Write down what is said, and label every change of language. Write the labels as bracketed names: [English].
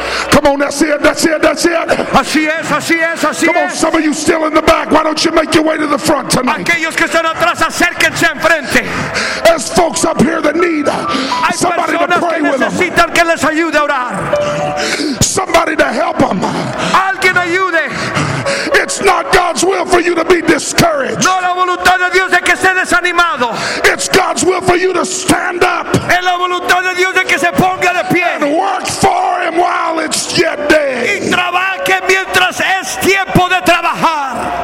[English] Come on, that's it, that's it, that's it. [Spanish] Así es, así es, así es. [English] Come on, some of you still in the back. Why don't you make your way to the front tonight? [Spanish] Aquellos que están atrás, acérquense enfrente. [English] There's folks up here that need somebody to pray with them. [Spanish] Necesitan que les ayude a orar. [English] Somebody to help them. [Spanish] Alguien ayude. [English] It's not God's will for you to be discouraged. [Spanish] No, la voluntad de Dios es que esté desanimado. [English] It's God's will for you to stand up. [Spanish] Es la voluntad de Dios es que se ponga de pie. [English] And work for him while it's yet day. [Spanish] Y trabaje mientras es tiempo de trabajar.